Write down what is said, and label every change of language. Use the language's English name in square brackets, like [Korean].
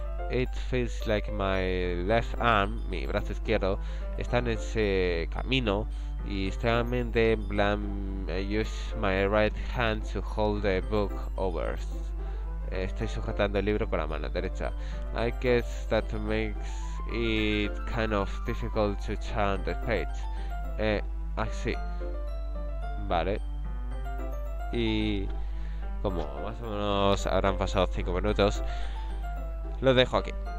[English] It feels like my left arm, [Spanish] mi brazo izquierdo, está en ese camino. Y extremadamente en plan, [English] I use my right hand to hold the book over. [Spanish] Estoy sujetando el libro con la mano derecha. [English] I guess that makes it kind of difficult to turn the page. [Spanish] Así. Vale. Y como más o menos habrán pasado 5 minutos, lo dejo aquí.